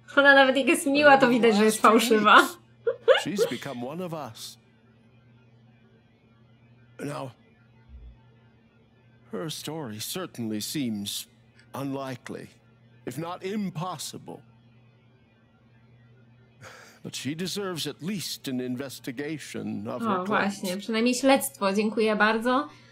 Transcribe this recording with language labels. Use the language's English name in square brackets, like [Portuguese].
[Polish] Ona nawet jak jest miła, to widać, że jest fałszywa. [English] She's become one of us. Now, her story certainly seems unlikely, if not impossible. But she deserves at least an investigation of her claims. [Polish] Właśnie, przynajmniej śledztwo, dziękuję bardzo.